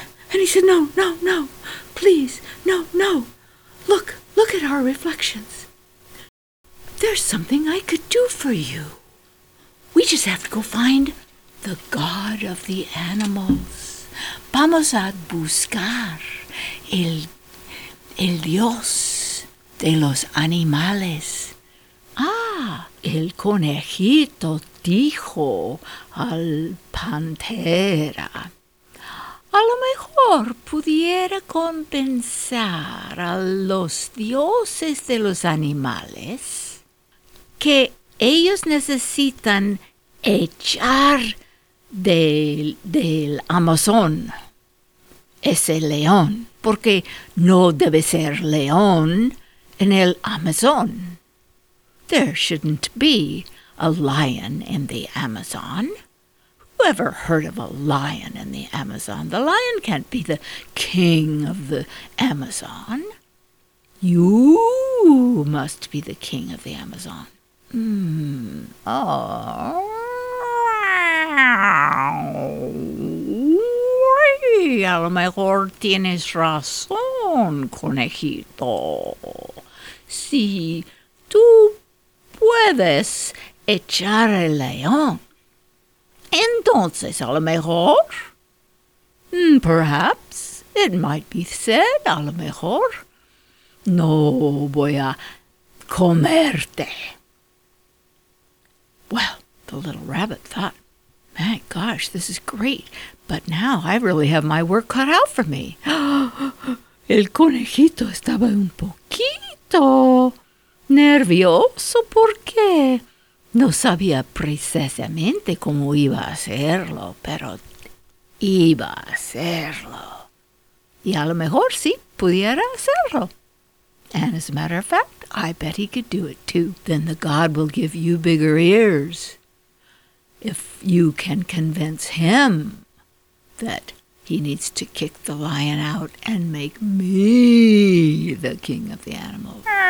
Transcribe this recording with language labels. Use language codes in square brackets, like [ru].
[en] And he said, "No, no, no, please, no, no. Look, look at our reflections. There's something I could do for you. We just have to go find the god of the animals. [es] Vamos a buscar el dios de los animales." "Ah, el conejito dijo al pantera. A lo mejor pudiera compensar a los dioses de los animales que ellos necesitan echar del Amazon ese león, porque no debe ser león en el Amazon. [en] There shouldn't be a lion in the Amazon. Whoever heard of a lion in the Amazon? The lion can't be the king of the Amazon. You must be the king of the Amazon." [es] "A lo mejor tienes razón, conejito. Si tú puedes echar el león, entonces a lo mejor, [en] perhaps, it might be said, [es] a lo mejor, no voy a comerte." [en] Well, the little rabbit thought, "My gosh, this is great. But now I really have my work cut out for me." [es] El conejito estaba un poquito nervioso porque no sabía precisamente cómo iba a hacerlo, pero iba a hacerlo. Y a lo mejor sí pudiera hacerlo. [en] "And as a matter of fact, I bet he could do it, too. Then the god will give you bigger ears if you can convince him that he needs to kick the lion out and make me the king of the animals."